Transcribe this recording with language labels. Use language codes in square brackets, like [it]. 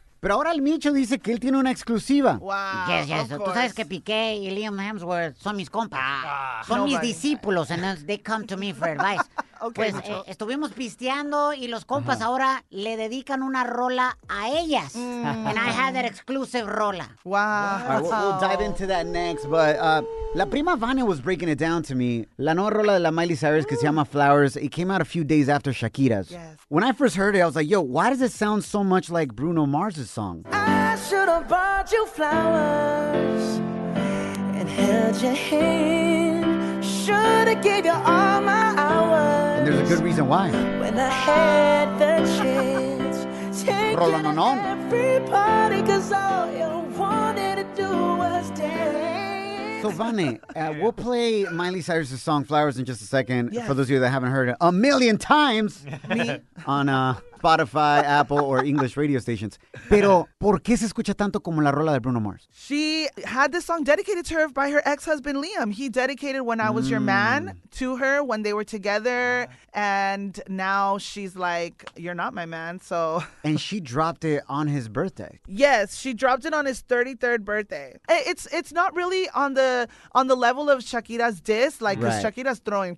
[es] Pero ahora el Micho dice que él tiene una exclusiva. [en] Wow. Yes, yes. [es] Tú sabes que Piqué y Liam Hemsworth son mis compas. Son mis discípulos [en] and they come to me for advice. Okay. [es] Pues estuvimos pisteando y los compas ahora le dedican una rola a ellas. [en] And I had that exclusive rola. Wow. All right, we'll dive into that next, but la prima Vane was breaking it down to me. [es] La nueva rola de la Miley Cyrus que se llama Flowers, [en] it came out a few days after Shakira's. Yes. When I first heard it, I was like, yo, why does it sound so much like Bruno Mars' song? I should have bought you flowers and held your hand. Should have gave you all my hours. And there's a good reason why. When I had the chance, taking Rolo-no-no. Every party, cause all you wanted to do was dance. So, Vane, we'll play Miley Cyrus' song, Flowers, in just a second. Yes. For those of you that haven't heard it a million times on Spotify, Apple, or English radio stations. [es] Pero, ¿por qué se escucha tanto como la rola de Bruno Mars? [en] She had this song dedicated to her by her ex-husband, Liam. He dedicated When I Was Your Man to her when they were together. And now she's like, you're not my man, so. And she dropped it on his birthday. Yes, she dropped it on his 33rd birthday. It's not really on the level of Shakira's diss, like, because Shakira's throwing.